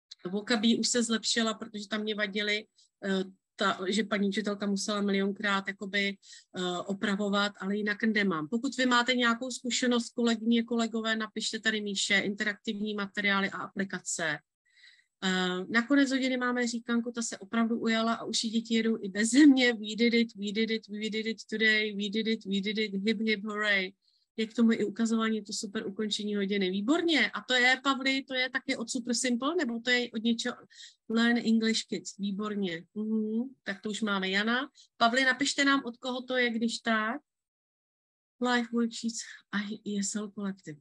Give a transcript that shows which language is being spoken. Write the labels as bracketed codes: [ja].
[cs] Vokabí už se zlepšila, protože tam mě vadily, že paní učitelka musela milionkrát jakoby, opravovat, ale jinak nemám. Pokud vy máte nějakou zkušenost, kolegyně, kolegové, napište tady Míše, interaktivní materiály a aplikace. Nakonec hodiny máme říkanku, ta se opravdu ujala a už i děti jedou i bez mě. [en] We did it, we did it, we did it today, we did it, hip, hip, hooray. [cs] Je k tomu i ukazování, to super ukončení hodiny. Výborně. A to je, Pavli, to je taky od Super Simple, nebo to je od něčeho Learn English Kids. Výborně. Tak to už máme Jana. Pavli, napište nám, od koho to je, když tak. Life Worksheets a ESL Collective.